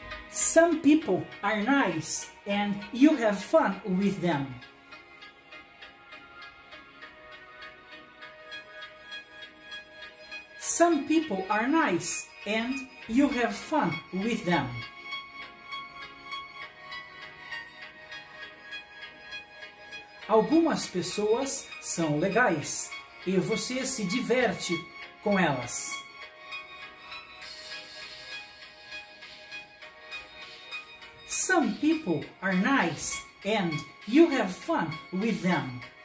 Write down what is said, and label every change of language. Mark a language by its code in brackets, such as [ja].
[en] Some people are nice and you have fun with them. Some people are nice and you have fun with them. [pt] Algumas pessoas são legais e você se diverte com elas. [en] Some people are nice and you have fun with them.